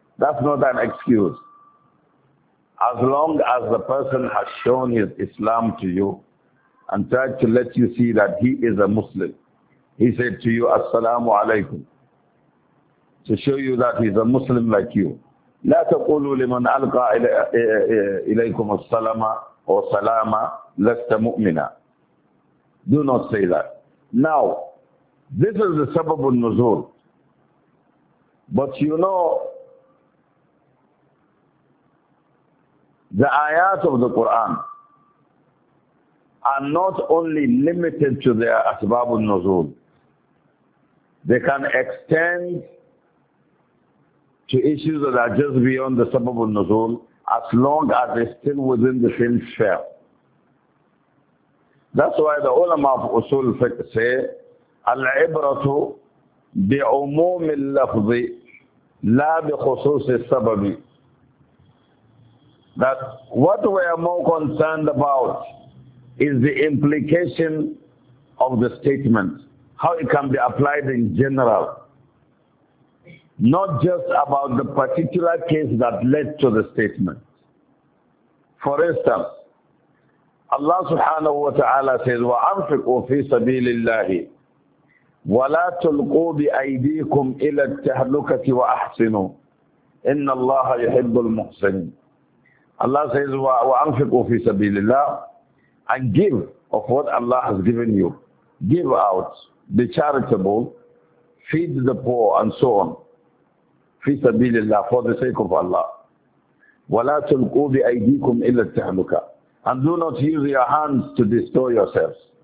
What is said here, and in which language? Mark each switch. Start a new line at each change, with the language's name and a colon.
English: That's not an excuse. As long as the person has shown his Islam to you and tried to let you see that he is a Muslim, he said to you, Assalamu alaikum, to show you that he's a Muslim like you.
Arabic: لا تقولوا لمن ألقى إليكم السلام وسلام لست مؤمنا.
English: Do not say that. Now, this is the سبب النزول. But you know, the ayat of the Quran are not only limited to their asbab al-nuzul. They can extend to issues that are just beyond the sabab al-nuzul as long as they're still within the same sphere. That's why the ulama of usul fiqh say,
Arabic: al-ibratu bi-umum al-lafzi la bi-khusus al-sababi.
English: That what we are more concerned about is the implication of the statement, how it can be applied in general, not just about the particular case that led to the statement. For instance, Allah subhanahu wa ta'ala says,
Arabic: وَأَنْفِقُوا فِي سَبِيلِ اللَّهِ وَلَا تُلْقُوا بِأَيْدِيكُمْ إِلَى التَّهْلُكَةِ وَأَحْسِنُوا إِنَّ اللَّهَ يُحِبُّ الْمُحْسِنِينَ.
English: Allah says,
Arabic: وَأَنْفِقُوا فِي سَبِيلِ اللَّهِ,
English: and give of what Allah has given you. Give out, be charitable, feed the poor, and so on.
Arabic: فِي سَبِيلِ اللَّهِ,
English: for the sake of Allah.
Arabic: وَلَا تُلْقُوا بِأَيْدِيكُمْ إِلَّا التَّهْلُكَ,
English: and do not use your hands to destroy yourselves.